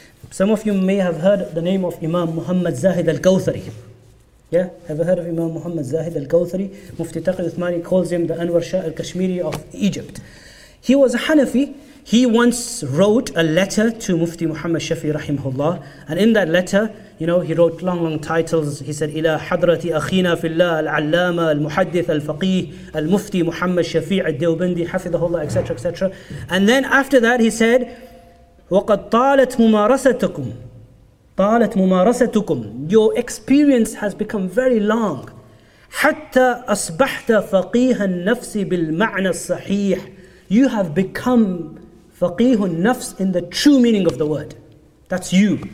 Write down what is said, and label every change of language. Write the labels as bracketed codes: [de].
[en] Some of you may have heard the name of Imam Muhammad Zahid al-Kawthari. Yeah? Have you heard of Imam Muhammad Zahid al-Kawthari? Mufti Taqi Uthmani calls him the Anwar Shah al-Kashmiri of Egypt. He was a Hanafi. He once wrote a letter to Mufti Muhammad Shafi, rahimahullah. And in that letter, you know, he wrote long, long titles. He said, [ar] إِلَى حَضْرَةِ أَخِينَا فِي اللَّهِ الْعَلَّامَ الْمُحَدِّثَ الْفَقِيهِ الْمُفْتِي مُحَمَّدْ شَفِيعَ الدَّوْبَنْدِي حَفِظَهُ اللَّهِ, [en] etc., etc. And then after that, he said, [ar] وَقَدْ طَالَتْ مُمَارَسَتُكُمْ طَالَتْ مُمَارَسَتُكُمْ. [en] Your experience has become very long. [ar] حَتَّى أَصْبَحْتَ فَقِيهَ النَّفْسِ بِالْمَعْنَى الصَّحِيحِ. [en] You have become faqihun nafs in the true meaning of the word. That's you.